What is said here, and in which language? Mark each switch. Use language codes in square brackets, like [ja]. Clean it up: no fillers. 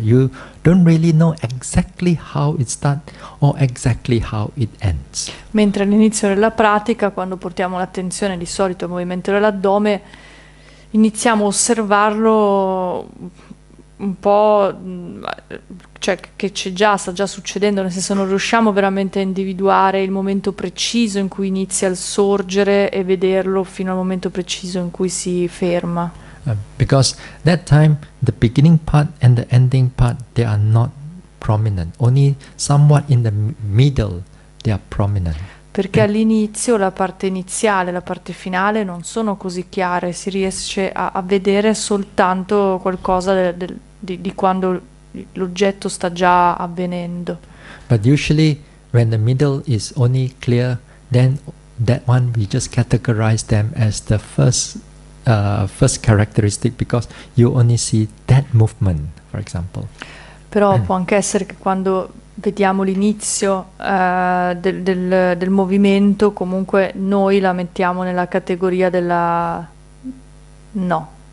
[en] You don't really know exactly how it starts or exactly how it ends. [it] Mentre all'inizio della pratica, quando portiamo l'attenzione di solito al movimento dell'addome, iniziamo a osservarlo un po', cioè che c'è già, sta già succedendo, nel senso non riusciamo veramente a individuare il momento preciso in cui inizia il sorgere e vederlo fino al momento preciso in cui si ferma. [en] Because that time the beginning part and the ending part they are not prominent, only somewhat in the middle they are prominent. [it] Perché all'inizio la parte iniziale, la parte finale non sono così chiare, si riesce a vedere soltanto qualcosa di quando l'oggetto sta già avvenendo. [en] But usually when the middle is only clear, then that one we just categorize them as the first characteristic because you only see that movement, for example. [it] Però può anche essere che quando vediamo l'inizio del movimento, comunque noi la mettiamo nella categoria della no.